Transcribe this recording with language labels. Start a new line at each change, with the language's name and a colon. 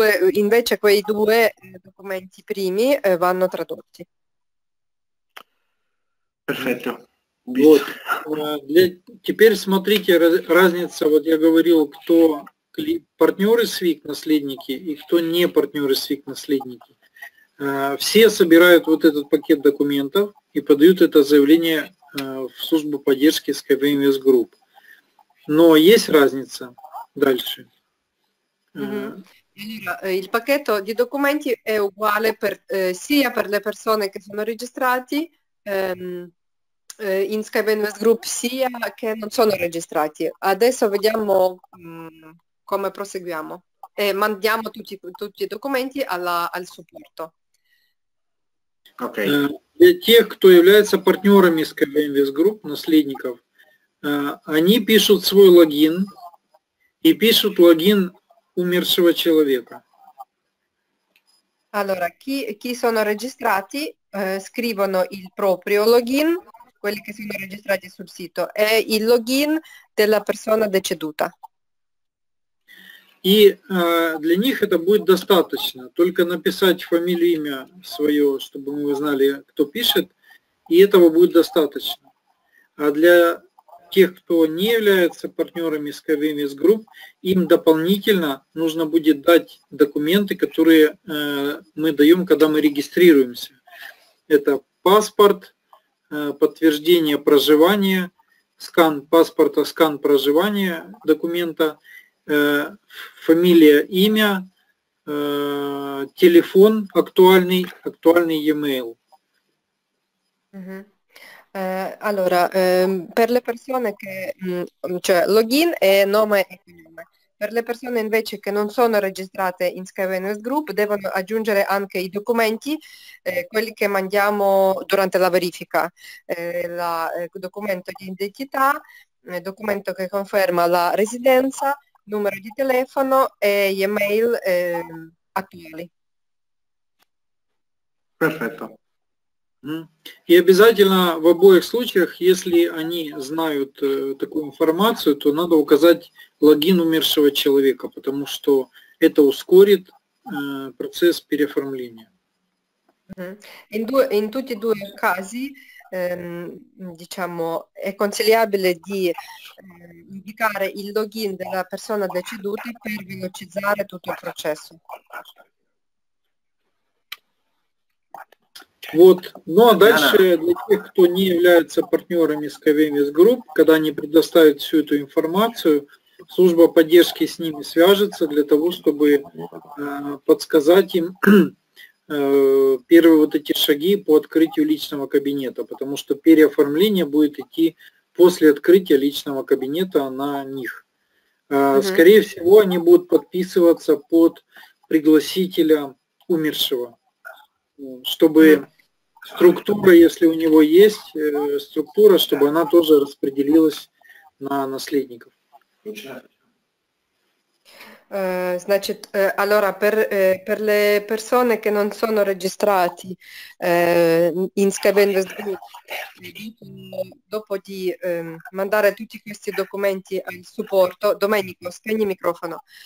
Italian: Invece quei due documenti primi vanno tradotti.
Russian: Вот. Теперь смотрите, разница, вот я говорил, кто партнеры СВИК, наследники, и кто не партнеры СВИК, наследники. Все собирают вот этот пакет документов и подают это заявление в службу поддержки SkyWMS Group. Но есть разница дальше.
Italian: Allora, il pacchetto di documenti è uguale sia per le persone che sono registrati in SkyWMS Group sia che non sono registrati. Adesso vediamo come proseguiamo e mandiamo tutti i documenti al supporto. Ok.
Russian: Для тех, кто является партнерами SkyWMS Group, наследников, они пишут свой логин и пишут логин умершего человека.
Italian: Allora, chi sono registrati scrivono il proprio login, quelli che sono registrati sul sito, è il login della persona deceduta.
Russian: И для них это будет достаточно, только написать фамилию, имя свое, чтобы мы узнали, кто пишет, и этого будет достаточно. А для тех, кто не является партнерами SkyWMS Group, им дополнительно нужно будет дать документы, которые мы даем, когда мы регистрируемся. Это паспорт, подтверждение проживания, скан паспорта, скан проживания документа, фамилия, имя, телефон актуальный e-mail.
Italian: Allora, per le persone che, cioè login e nome e cognome, per le persone invece che non sono registrate in SkyWMS Group devono aggiungere anche i documenti, quelli che mandiamo durante la verifica, documento di identità, documento che conferma la residenza, numero di telefono e email attuali. Perfetto.
Russian: И обязательно в обоих случаях, если они знают такую информацию, то надо указать логин умершего человека, потому что это ускорит процесс переоформления.
Italian: In tutti e due casi, diciamo, è consigliabile di indicare il login della persona deceduta per velocizzare tutto il processo.
Russian: Вот. Ну а дальше для тех, кто не является партнерами SkyWMS Group, когда они предоставят всю эту информацию, служба поддержки с ними свяжется для того, чтобы подсказать им первые вот эти шаги по открытию личного кабинета, потому что переоформление будет идти после открытия личного кабинета на них. Скорее всего, они будут подписываться под пригласителя умершего, чтобы структура, если у него есть структура, чтобы она тоже распределилась на наследников. Значит,
Italian: allora per le persone che non sono registrati in SkyWMS Group, dopo di mandare tutti questi documenti al supporto, Domenico, spegni il microfono.